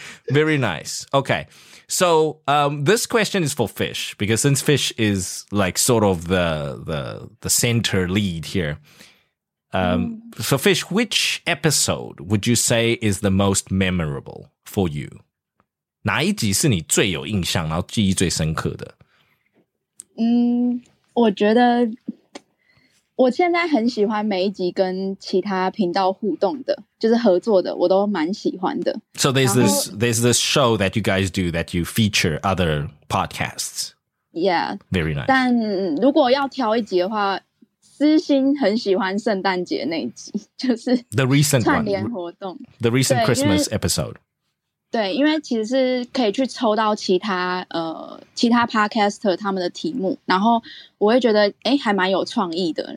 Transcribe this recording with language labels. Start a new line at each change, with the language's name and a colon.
English: Very nice. Okay. So this question is for Fish, because since Fish is like sort of the center lead here,so Fish, which episode would you say is the most memorable for you?
Chinese: 哪一集是你最有印象然后记忆最深刻的？我觉得我现在很喜欢每一集跟其他频道互动的，就是合作的，我都蛮喜欢的。
English: So there's this show that you guys do that you feature other podcasts. Yeah. Very nice.
Chinese: 但如果要挑一集的话私心很喜欢圣诞节那一集，就是
English: The recent
Chinese: 串联活动
English: The recent Christmas episode。
Chinese: 对，因为其实是可以去抽到其他 podcaster 他们的题目，然后我会觉得还蛮有创意的。